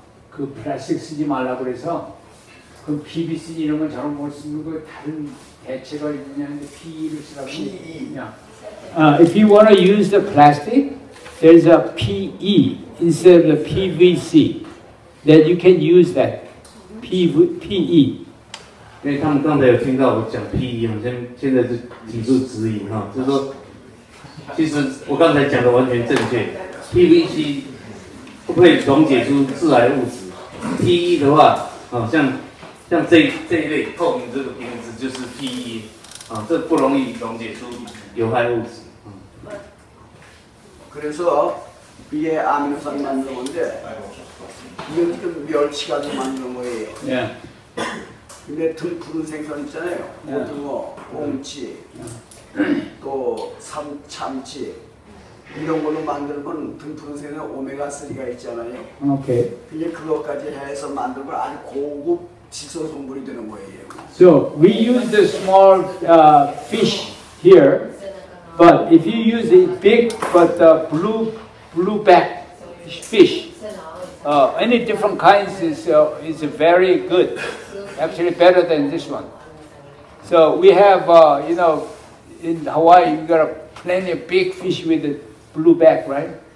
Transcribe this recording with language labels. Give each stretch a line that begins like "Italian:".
Korean: 그 플라스틱 쓰지 말라고 그래서 그 PVC 이런 건 저런 걸 쓰는 거 다른 대체가 있느냐는데 PE를 쓰라고 했냐.
English: If you want to use the plastic, there's a PE instead of the PVC that you can use that. PE.
Chinese: 因为他们刚才有听到我讲 PE 现在是提出质疑哈，就是说，其实我刚才讲的完全正确 ，PVC 不会溶解出致癌物质 ，PE 的话，像这一类透明这个瓶子就是 PE 啊，这不容易溶解出有害物质。
Korean: 그래서 위에 아미노산 만드는 건데 이건 지금 멸치가 만드는 거예요. 근데 등 푸른 생선 있잖아요. 고등어, 꽁치, 또 참치 이런 걸로 만들면 등 푸른 생선 오메가 3가 있잖아요. 오케이. 근데 그것까지 해서 만들면 아주 고급 질소 성분이 되는 거예요.
English: So we use the small fish here, but if you use a big but the blueback fish, any different kinds is very good. Actually better than this one. So we have, you know, in Hawaii, you got plenty of big fish with the blue back, right?